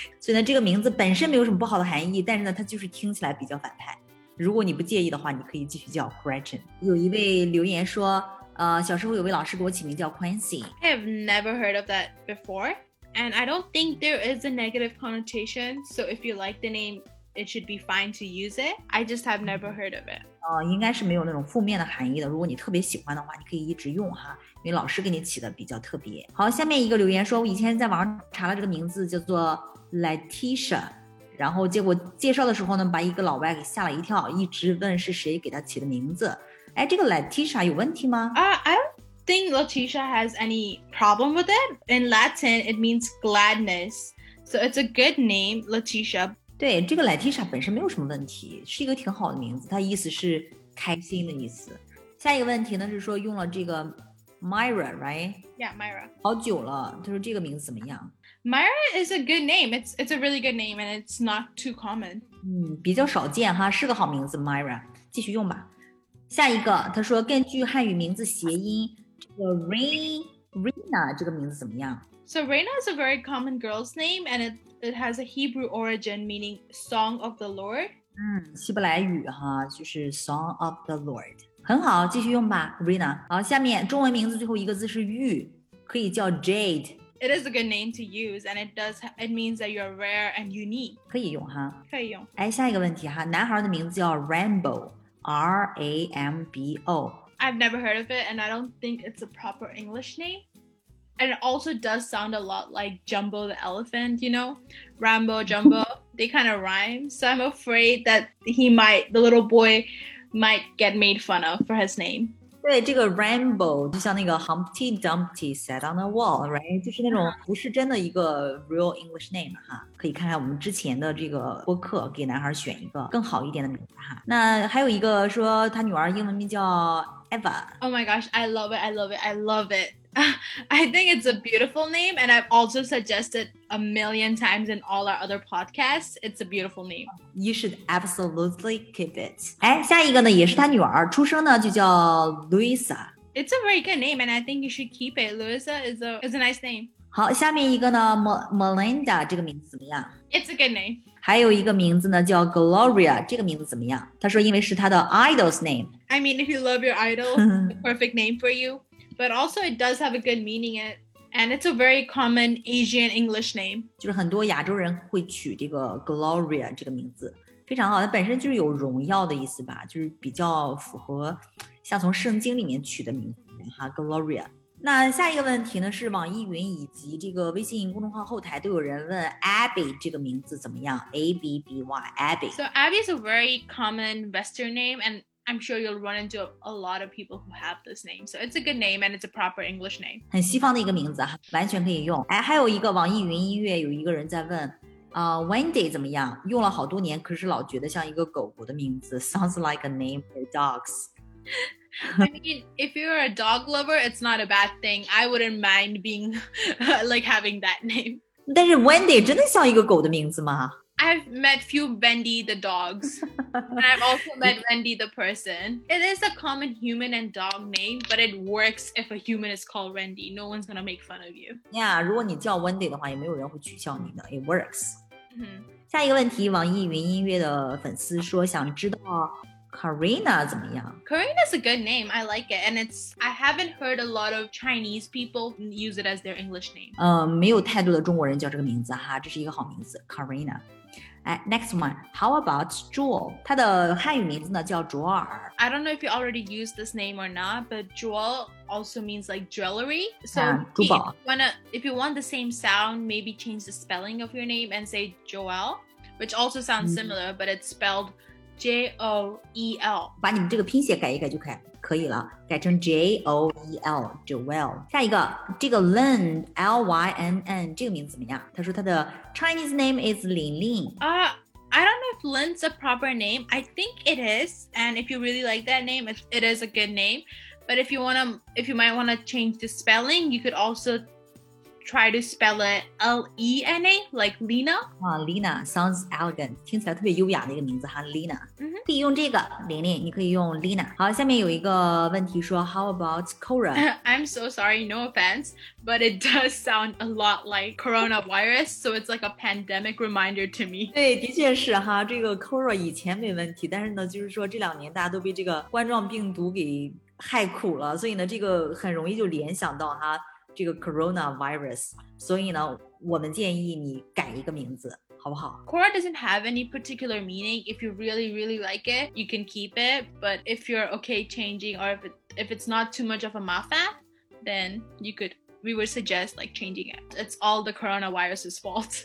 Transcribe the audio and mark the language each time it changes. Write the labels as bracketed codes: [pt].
[zh] 所以呢，这个名字本身没有什么不好的含义，但是呢，它就是听起来比较反派。如果你不介意的话，你可以继续叫 Gretchen. 有一位留言说小时候有位老师给我起名叫 Quincy. [en] I have never heard of that before, and I don't think there is a negative connotation, so if you like the name, it should be fine to use it. I just have never heard of it. [zh] 应该是没有那种负面的含义的，如果你特别喜欢的话，你可以一直用哈，因为老师给你起的比较特别。好，下面一个留言说，我以前在网上查了这个名字叫做 Leticia, 然后结果介绍的时候呢，把一个老外给吓了一跳，一直问是谁给他起的名字。哎，这个 Leticia 有问题吗？ [en] I don't think Leticia has any problem with it. In Latin, it means gladness. So it's a good name, Leticia. [zh] 对，这个 Leticia 本身没有什么问题，是一个挺好的名字，它意思是开心的意思。下一个问题呢，是说用了这个 Myra, right? [en] Yeah, Myra. [zh] 好久了，他说这个名字怎么样？ [en] Myra is a good name. It's a really good name and it's not too common. [zh] 比较少见哈，是个好名字 Myra, 继续用吧。下一个他说根据汉语名字谐音这个 Reina 这个名字怎么样 [en] So Reina is a very common girl's name and it has a Hebrew origin meaning song of the Lord [zh] 希伯来语哈，就是 [en] song of the Lord [zh] 很好继续用吧 Reina 好下面中文名字最后一个字是玉可以叫 Jade [en] It is a good name to use and it means that you're rare and unique [zh] 可以用哈可以用下一个问题哈，男孩的名字叫 Rambo R-A-M-B-O [en] I've never heard of it, and I don't think it's a proper English name. And it also does sound a lot like Jumbo the elephant, you know? Rambo, Jumbo, they kind of rhyme. So I'm afraid that the little boy might get made fun of for his name. [zh] 对，这个 Rambo 就像那个 [en] Humpty Dumpty sat on a wall, [zh] right? 就是那种不是真的一个 [en] real English name, [zh] 哈。可以看看我们之前的这个播客给男孩选一个更好一点的名字哈。那还有一个说他女儿英文名叫 Eva。 [en] Oh my gosh, I love it, I love it, I love it. I think it's a beautiful name, and I've also suggested a million times in all our other podcasts. It's a beautiful name. You should absolutely keep it. [zh] 哎，下一个呢，也是他女儿，出生呢就叫 Luisa. [en] It's a very good name, and I think you should keep it. Luisa is a nice name. [zh] 好，下面一个呢 ，Melinda 这个名字怎么样 [en] ？It's a good name. [zh] 还有一个名字呢叫 Gloria， 这个名字怎么样？他说因为是他的 [en] idol's name. I mean, if you love your idol, the perfect name for you. But also it does have a good meaning it. And it's a very common Asian English name. [zh] 就是很多亚洲人会取这个 Gloria 这个名字。非常好，它本身就是有荣耀的意思吧，就是比较符合像从圣经里面取的名字哈 ,Gloria。那下一个问题呢是网易云以及这个微信公众号后台都有人问 Abby 这个名字怎么样 ,Abby, Abby. [en] So Abby is a very common Western name and... I'm sure you'll run into a lot of people who have this name. So it's a good name and it's a proper English name. [zh] 很西方的一个名字啊，完全可以用。哎，还有一个网易云音乐有一个人在问，Wendy 怎么样？用了好多年，可是老觉得像一个狗狗的名字。 [en] Sounds like a name for dogs. I mean, if you're a dog lover, it's not a bad thing. I wouldn't mind being, like, having that name. 但是 Wendy 真的像一个狗的名字吗？ I've met few Wendy the dogs, and I've also met Wendy the person. It is a common human and dog name, but it works if a human is called Wendy. No one's gonna make fun of you. [zh] Yeah, 如果你叫 Wendy 的话，也没有人会取笑你的。 [en] It works.、Mm-hmm. [zh] 下一个问题，网易云音乐的粉丝说想知道 Karina 怎么样。 [en] Karina's a good name. I like it, and I haven't heard a lot of Chinese people use it as their English name. [zh] 没有太多的中国人叫这个名字哈，这是一个好名字 ，Karina. [en] Next one, how about Joel? [zh] 他的汉语名字呢叫卓尔。 [en] I don't know if you already used this name or not, but Joel also means like jewelry. So if you want the same sound, maybe change the spelling of your name and say Joel, which also sounds similar, but it's spelled J-O-E-L. [zh] 把你们这个拼写改一改就可以了，改成 J-O-E-L, Joel. 下一个，这个 Lynn, L-Y-N-N, 这个名字怎么样？他说他的 [en] Chinese name is Lin Lin. I don't know if Lynn's a proper name. I think it is. And if you really like that name, it is a good name. But if you might want to change the spelling, you could also try to spell it L-E-N-A, like Lena. Lena sounds elegant. [zh] 听起来特别优雅的一个名字哈 ,Lena. 可以用这个玲玲，你可以用 Lina。好，下面有一个问题说 ， [en] How about Cora? I'm so sorry, no offense, but it does sound a lot like coronavirus, so it's like a pandemic reminder to me. [zh] 对，的确是哈，这个 Cora 以前没问题，但是呢，就是说这两年大家都被这个冠状病毒给害苦了，所以呢，这个很容易就联想到哈，这个 coronavirus。所以呢，我们建议你改一个名字。好不好 [en] Cora doesn't have any particular meaning. If you really, really like it, you can keep it. But if you're okay changing or if it's not too much of a mafan, then we would suggest like changing it. It's all the coronavirus's fault.